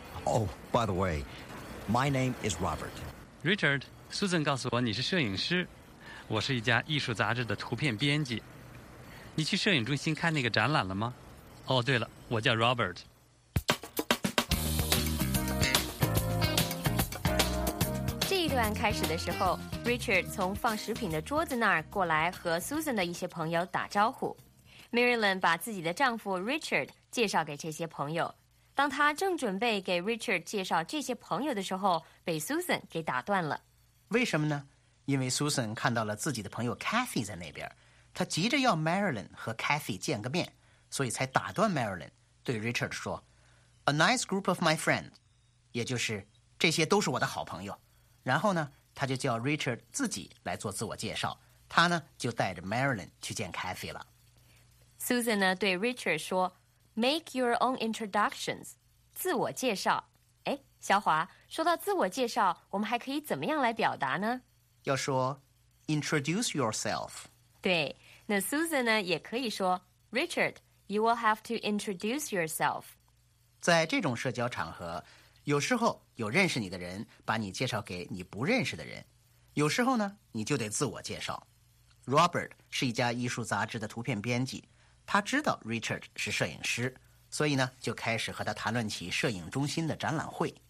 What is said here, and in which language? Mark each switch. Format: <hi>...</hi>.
<en>Oh, by the way. My name is Robert.</en> <zh>Richard, Susan 告诉我你是摄影师。我是一家艺术杂志的图片编辑。你去摄影中心看那个展览了吗？哦，对了，我叫 Robert。这一对岸开始的时候 ，Richard 从放食品的桌子那儿过来和 Susan 的一些朋友打招呼。 Marilyn 把自己的丈夫 Richard 介绍给这些朋友。当她正准备给 Richard 介绍这些朋友的时候，被 Susan 给打断了。为什么呢？因为 Susan 看到了自己的朋友 Kathy 在那边，她急着要 Marilyn 和 Kathy 见个面，所以才打断 Marilyn 对 Richard 说 ： “A nice group of my friends，也就是这些都是我的好朋友。” 然后呢，他就叫 Richard 自己来做自我介绍，他呢就带着 Marilyn 去见 Kathy 了。 Susan 呢对 Richard 说 ： “Make your own introductions，自我介绍。” 哎，小华，说到自我介绍，我们还可以怎么样来表达呢？要说 introduce yourself。对，那 Susan 呢也可以说 Richard， you will have to introduce yourself。在这种社交场合，有时候有认识你的人把你介绍给你不认识的人，有时候呢你就得自我介绍。 Robert 是一家艺术杂志的图片编辑，他知道 Richard 是摄影师，所以呢就开始和他谈论起摄影中心的展览会。</zh>